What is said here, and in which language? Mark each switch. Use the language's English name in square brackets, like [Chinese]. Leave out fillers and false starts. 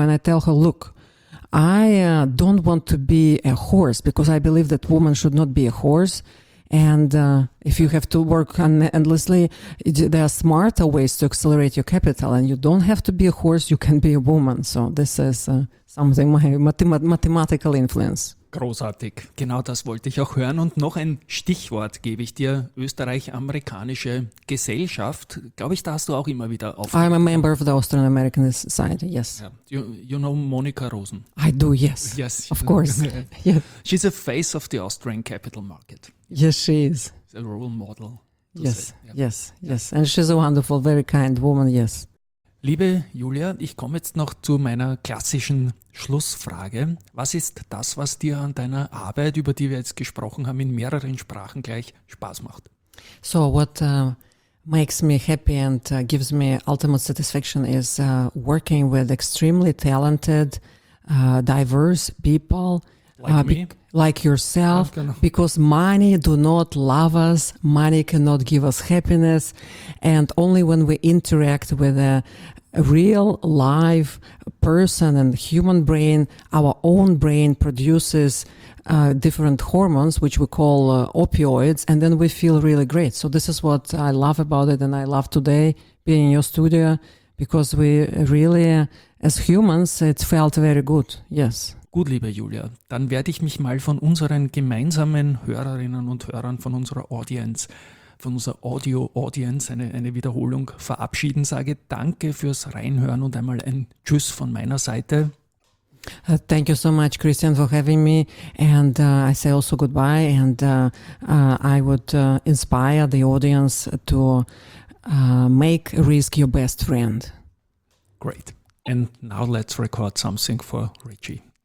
[English] And I tell her, look, I don't want to be a horse, because I believe that woman should not be a horse. And if you have to work endlessly, there are smarter ways to accelerate your capital, and you don't have to be a horse, you can be a woman. So this is something my mathematical influence. [German] Großartig, genau das wollte ich auch hören. Und noch ein Stichwort gebe ich dir, österreich-amerikanische Gesellschaft. Glaube ich, da hast du auch immer wieder [English] aufgehört. I'm a member of the Austrian American Society, yes. Yeah. You know Monika Rosen? I do, yes. Yes. Of course. Yeah. She's a face of the Austrian capital market. Yes, she is. She's a role model. Yes, yeah. Yes, yes. And she's a wonderful, very kind woman, yes. [German] Liebe Julia, ich komme jetzt noch zu meiner klassischen Schlussfrage. Was ist das, was dir an deiner Arbeit, über die wir jetzt gesprochen haben, in mehreren Sprachen gleich Spaß macht? [English] So, what makes me happy and gives me ultimate satisfaction is working with extremely talented, diverse people. Like yourself, because money do not love us, money cannot give us happiness, and only when we interact with a real live person and human brain, our own brain produces different hormones, which we call opioids, and then we feel really great. So this is what I love about it, and I love today being in your studio, because we really, as humans, it felt very good, yes. [German] Gut, liebe Julia, dann werde ich mich mal von unseren gemeinsamen Hörerinnen und Hörern, von unserer Audience, von unserer Audio-Audience eine Wiederholung verabschieden, sage danke fürs Reinhören und einmal ein Tschüss von meiner Seite. [English] Thank you so much, Christian, for having me, and I say also goodbye, and I would inspire the audience to make Risk your best friend. Great, and now let's record something for Richie.